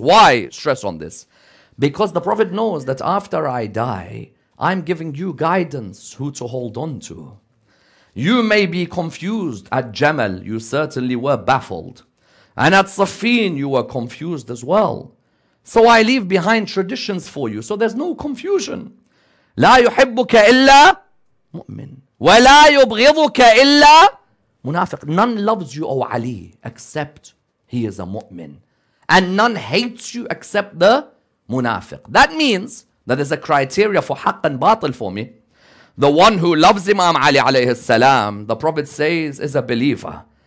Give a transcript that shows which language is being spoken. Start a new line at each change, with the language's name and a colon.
English: Why stress on this? Because the Prophet knows that after I die, I'm giving you guidance who to hold on to. You may be confused at Jamal, you certainly were baffled. And at Safin, you were confused as well. So I leave behind traditions for you, so there's no confusion.
Arabic: لا يحبك إلا مؤمن ولا يبغضك إلا منافق.
English: None loves you, O Ali, except he is a mu'min. And none hates you except the munafiq. That means that there's a criteria for haqq and batil for me. The one who loves Imam Ali alayhi salam, the Prophet says, is a believer.